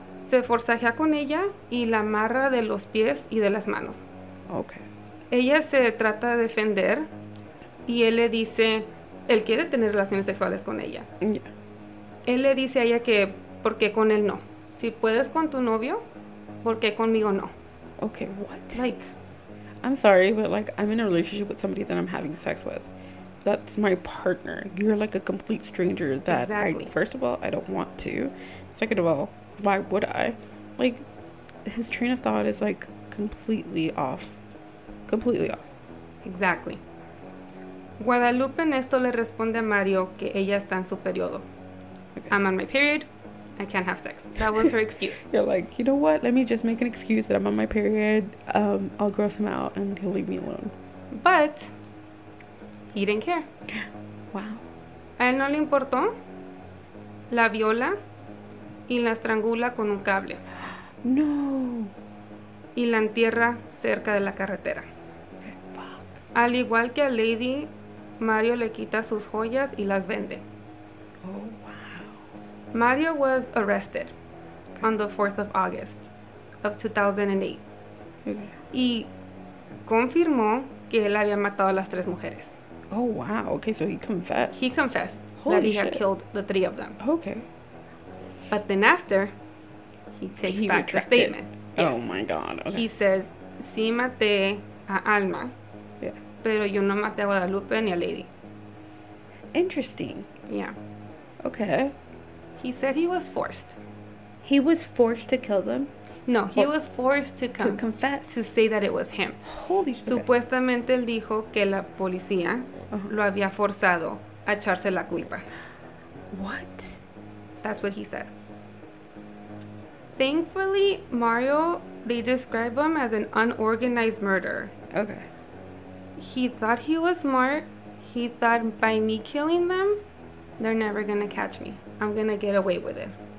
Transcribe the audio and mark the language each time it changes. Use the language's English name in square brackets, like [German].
[Spanish] Se forzajea con ella y la amarra de los pies y de las manos. [English] Okay. [Spanish] Ella se trata de defender y él le dice, él quiere tener relaciones sexuales con ella. [English] Yeah. [Spanish] Él le dice a ella que, ¿por qué con él no? Si puedes con tu novio, ¿por qué conmigo no? [English] Okay, what? Like, I'm sorry, but like, I'm in a relationship with somebody that I'm having sex with. That's my partner. You're like a complete stranger that exactly. First of all, I don't want to. Second of all, why would I? Like, his train of thought is, like, completely off. Completely off. Exactly. [Spanish] Guadalupe en esto le responde a Mario que ella está en su periodo. [English] Okay. I'm on my period. I can't have sex. That was her excuse. You're like, you know what? Let me just make an excuse that I'm on my period. I'll gross him out and he'll leave me alone. But he didn't care. Wow. [Spanish] A él no le importó. La viola. Y la estrangula con un cable. [English] No. [Spanish] Y la entierra cerca de la carretera. [English] Fuck. [Spanish] Al igual que a Lady, Mario le quita sus joyas y las vende. [English] Oh, wow. Mario was arrested on the 4th of August of 2008. Okay. [Spanish] Y confirmó que él había matado a las tres mujeres. [English] Oh, wow. Okay, so he confessed. He confessed Holy that he shit. Had killed the three of them. Okay. But then after, he takes he back retracted. The statement. Yes. Oh, my God. Okay. He says, [Spanish] sí maté a Alma, pero yo no maté a Guadalupe ni a Lady. [English] Interesting. Yeah. Okay. He said he was forced. He was forced to kill them? No, he was forced to come. To confess. To say that it was him. Holy shit. [Spanish] Supuestamente él dijo que la policía lo había forzado a echarse la culpa. [English] What? That's what he said. Thankfully, Mario, they describe him as an unorganized murderer. Okay. He thought he was smart. He thought by me killing them, they're never going to catch me. I'm going to get away with it.